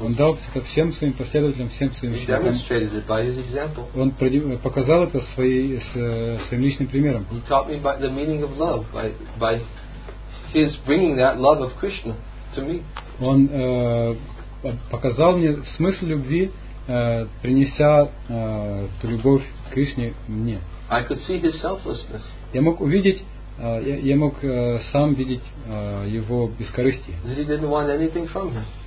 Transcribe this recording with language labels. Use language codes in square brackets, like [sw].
[ru] Он дал это всем своим последователям, всем своим ученикам. [en] He demonstrated it by his example. [ru] Он показал это своим личным примером. [en] He taught me by the meaning of love by his bringing that love of Krishna to me. [ru] Он показал мне смысл любви, принеся ту любовь к Кришне мне. [en] I could see his selflessness. [ru] Я мог увидеть. Я мог сам видеть его бескорыстие. [en] He didn't want anything from me.